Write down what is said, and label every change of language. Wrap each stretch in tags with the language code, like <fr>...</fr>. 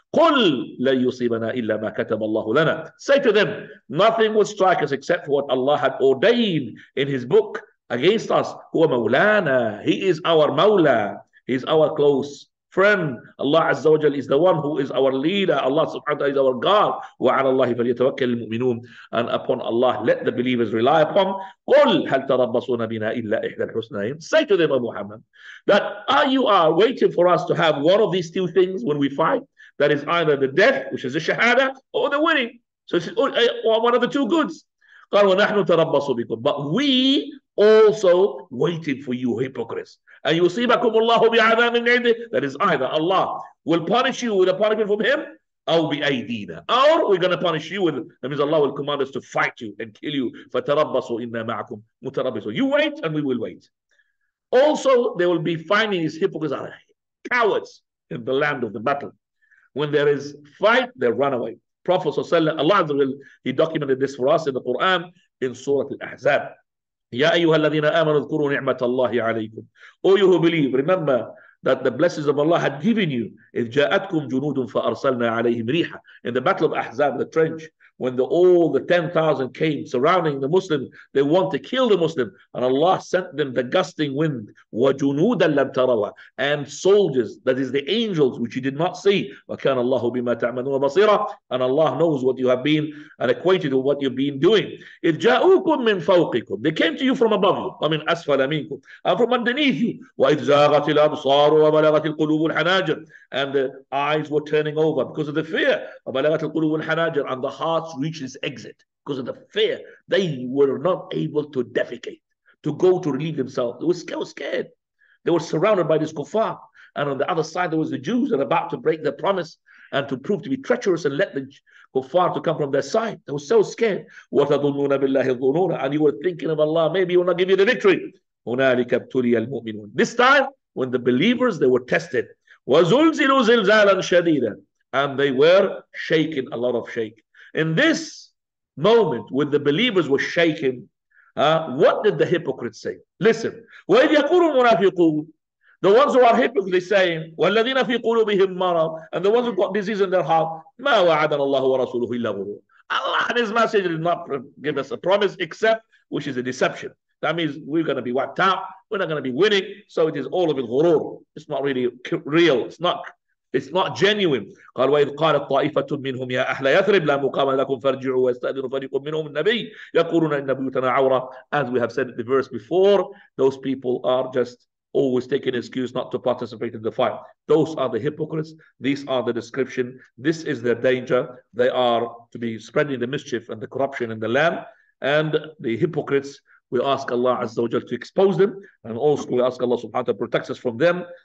<ar>قُلْ لَنْ يُصِيبَنَا إِلَّا مَا كَتَبَ اللَّهُ لَنَا.</ar> <en>Say to them, nothing will strike us except what Allah had ordained in His book against us.</en> <ar>هو مولانا.</ar> <en>He is our مولى. He is our close friend. Allah Azza wa Jal is the one who is our leader. Allah Subhanahu wa Ta'ala is our God.</en> <ar>وعلى الله فليتوكل المؤمنون.</ar> <en>And upon Allah, let the believers rely upon.</en> <ar>قل هل تربصون بنا إلا إحدى الحسنين.</ar> <en>Say to them, Abu Muhammad, that you are waiting for us to have one of these two things when we fight. That is either the death, which is the shahada, or the winning. So it's one of the two goods.</en> <ar>قال ونحن تربص بكم.</ar> <en>But we also waiting for you, hypocrites.</en> <ar>And يُصِيبَكُمُ اللَّهُ بِعَذَابٍ عِنْدِهِ.</ar> <en>That is either Allah will punish you with a punishment from Him,</en> <ar>أَوْ بِأَيْدِينَ.</ar> <en>Or we're going to punish you with, that means Allah will command us to fight you and kill you.</en> <ar>فَتَرَبَّصُوا إِنَّا مَعَكُمْ مُتَرَبِّصُوا.</ar> <en>You wait and we will wait. Also, they will be finding these hypocrites are cowards in the land of the battle. When there is fight, they run away. Prophet ﷺ, Allah, he documented this for us in the Quran, in Surah Al-Ahzab.</en> <ar>يا أيها الذين آمنوا اذكروا نعمة الله عليكم.</ar> <en>O you who believe, remember that the blessings of Allah had given you.</en> <ar>إذ جاءتكم جنود فأرسلنا عليهم ريحا.</ar> <en>In the battle of Ahzab, the trench, when all the 10,000 came surrounding the Muslim, they want to kill the Muslim, and Allah sent them the gusting wind.</en> <ar>وجنودا لم تروا.</ar> <en>And soldiers, that is the angels, which you did not see.</en> <ar>وكان الله بما تعملون بصيرا.</ar> <en>And Allah knows what you have been and acquainted with what you've been doing.</en> <ar>إذ جاءوكم من فوقكم.</ar> <en>They came to you from above you.</en> <ar>ومن أسفل منكم.</ar> <en>And from underneath you.</en> <ar>وإذ زاغت الأبصار وبلغت القلوب الحناجر.</ar> <en>And the eyes were turning over because of the fear.</en> <ar>وبلغت القلوب الحناجر.</ar> <en>And the heart reach this exit because of the fear. They were not able to defecate, to go to relieve themselves. They were scared. They were surrounded by this kuffar. And on the other side, there was the Jews that are about to break their promise and to prove to be treacherous and let the kuffar to come from their side. They were so scared.</en> <ar>وَتَظُنُّونَ بِاللَّهِ الظُّنُونَ.</ar> <en>And you were thinking of Allah, maybe He will not give you the victory.</en> <ar>هُنَالِكَ ابْتُلِيَ الْمُؤْمِنُونَ.</ar> <en>This time, when the believers, they were tested.</en> <ar>وَزُلْزِلُوا زِلْزَالًا شَدِيدًا.</ar> <en>And they were shaking, a lot of shake. In this moment, when the believers were shaken, what did the hypocrites say?</en> <ar>Listen, وَإِذْ يَقُولُ الْمُنَافِقُونَ.</ar> <en>The ones who are hypocrites, they say,</en> <ar>وَالَّذِينَ فِي قُلُوبِهِمْ مَرَضٌ.</ar> <en>And the ones who got disease in their heart,</en> <ar>مَا وَعَدَنَا اللَّهُ وَرَسُولُهُ إِلَّا غُرُورًا.</ar> <en>Allah and His Messenger did not give us a promise except, which is a deception. That means we're going to be wiped out. We're not going to be winning. So it is all of it غرور. It's not really real. It's not genuine.</en> <ar>قال وإذ قالت طائفة منهم يا أهل يثرب لا مقام لكم فارجعوا واستأذنوا فريق منهم النبي يقولون إن بيوتنا عورة.</ar> <en>As we have said in the verse before, those people are just always taking excuse not to participate in the fight. Those are the hypocrites. These are the description. This is their danger. They are to be spreading the mischief and the corruption in the land. And the hypocrites, we ask Allah Azza wa Jal to expose them. And also we ask Allah Subhanahu wa Ta'ala to protect us from them.</en>